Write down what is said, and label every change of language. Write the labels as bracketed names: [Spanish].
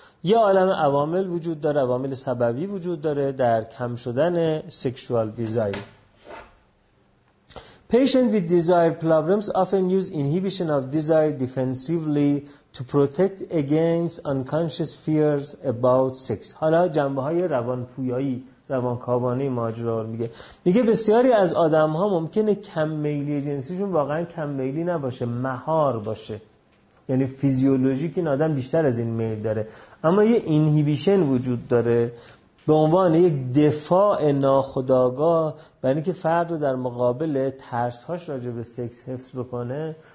[Persian] یه عالم عوامل وجود داره، عوامل سببی وجود داره در کم شدن سکشوال دیزایر. [English] Patients with desire problems often use inhibition of desire defensively to protect against unconscious fears about sex. [Persian] حالا جنبه های روان پویایی، روانکاوانه ماجرا رو میگه. میگه بسیاری از آدم ها ممکنه کم میلی جنسیشون واقعا کم میلی نباشه، مهار باشه. یعنی فیزیولوژیک این آدم بیشتر از این میل داره. اما یه inhibition وجود داره، به عنوان یک دفاع ناخودآگاه برای اینکه فرد رو در مقابل ترس‌هاش راجع به سکس حفظ بکنه.